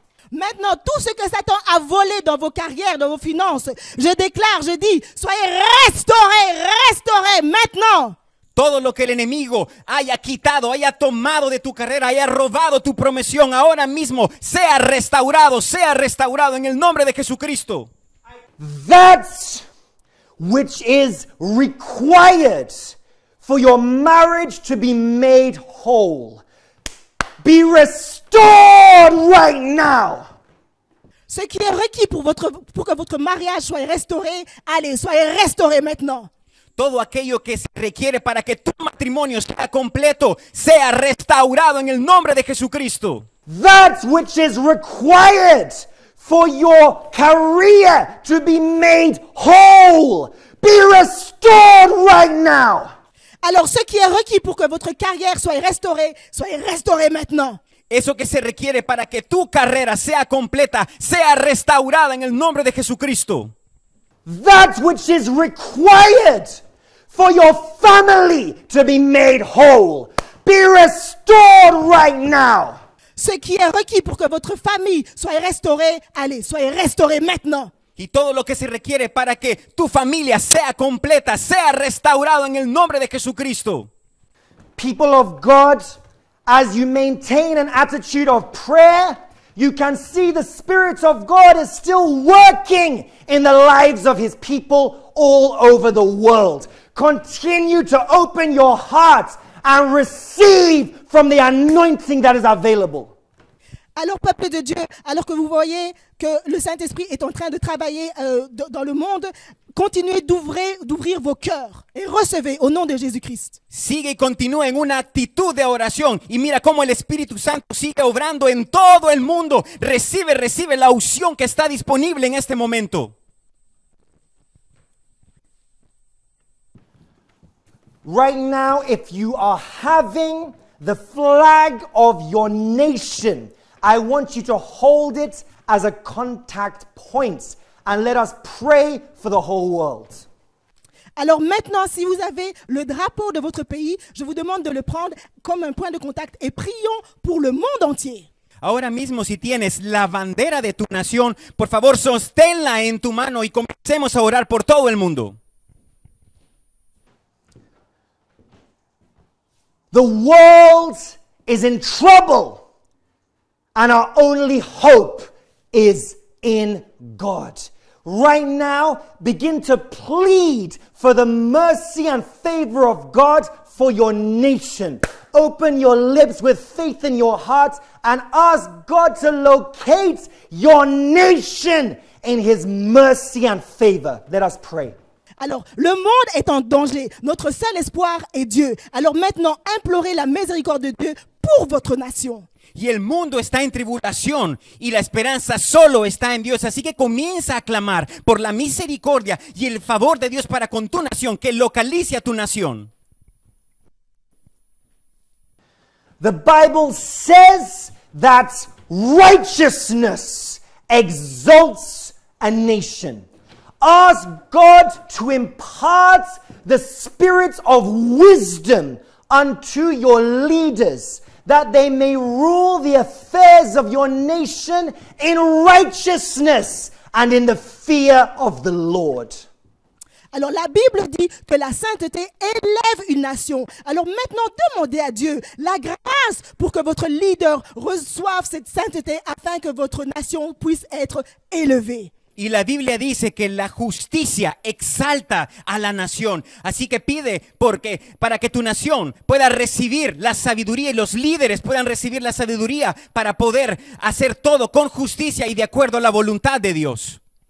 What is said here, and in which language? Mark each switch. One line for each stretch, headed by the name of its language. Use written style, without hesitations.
French: Maintenant, tout ce que Satan a volé dans vos carrières, dans vos finances, je déclare, je dis, soyez restaurés, restaurés maintenant.
Spanish: Todo lo que el enemigo haya quitado, haya tomado de tu carrera, haya robado tu promesión, ahora mismo, sea restaurado en el nombre de Jesucristo.
English: That's which is required for your marriage to be made whole. Be restored right now.
French: Ce qui est requis pour que votre mariage soit restauré, allez, soyez restauré maintenant.
Spanish: Todo aquello que se requiere para que tu matrimonio sea completo, sea restaurado en el nombre de Jesucristo.
English: That's which is required for your career to be made whole. Be restored right now.
French: Alors, ce qui est requis pour que votre carrière soit restaurée maintenant.
Spanish: Eso que se requiere para que tu carrera sea completa, sea restaurada en el nombre de Jesucristo.
English: That which is required for your family to be made whole. Be restored right now.
French: Ce qui est requis pour que votre famille soit restaurée, allez, soyez restaurée maintenant.
Spanish: Y todo lo que se requiere para que tu familia sea completa, sea restaurado en el nombre de Jesucristo.
English: People of God, as you maintain an attitude of prayer, you can see the Spirit of God is still working in the lives of His people all over the world. Continue to open your heart and receive from the anointing that is available.
French: Alors, peuple de Dieu, alors que vous voyez que le Saint-Esprit est en train de travailler dans le monde, continuez d'ouvrir vos cœurs et recevez au nom de Jésus-Christ.
Spanish: Sigue y continúa en una actitud de oración y mira cómo el Espíritu Santo sigue obrando en todo el mundo. Recibe, recibe la unción que está disponible en este momento.
English: Right now, if you are having the flag of your nation, I want you to hold it as a contact point and let us pray for the whole world.
French: Alors maintenant, si vous avez le drapeau de votre pays, je vous demande de le prendre comme un point de contact et prions pour le monde entier.
Spanish: Ahora mismo, si tienes la bandera de tu nación, por favor, sosténla en tu mano y comencemos a orar por todo el mundo.
English: The world is in trouble. And our only hope is in God. right now, begin to plead for the mercy and favor of God for your nation. Open your lips with faith in your heart and ask God to locate your nation in His mercy and favor. Let us pray.
French: Alors, le monde est en danger. Notre seul espoir est Dieu. Alors maintenant, implorez la miséricorde de Dieu pour votre nation.
Spanish: Y el mundo está en tribulación y la esperanza solo está en Dios. Así que comienza a clamar por la misericordia y el favor de Dios para con tu nación, que localice a tu nación.
English: The Bible says that righteousness exalts a nation. Ask God to impart the spirit of wisdom unto your leaders, that they may rule the affairs of your nation in righteousness and in the fear of the Lord.
French: Alors la Bible dit que la sainteté élève une nation. Alors maintenant demandez à Dieu la grâce pour que votre leader reçoive cette sainteté afin que votre nation puisse être élevée.
Spanish: Y la Biblia dice que la justicia exalta a la nación. Así que pide porque para que tu nación pueda recibir la sabiduría y los líderes puedan recibir la sabiduría para poder hacer todo con justicia y de acuerdo a la voluntad de Dios.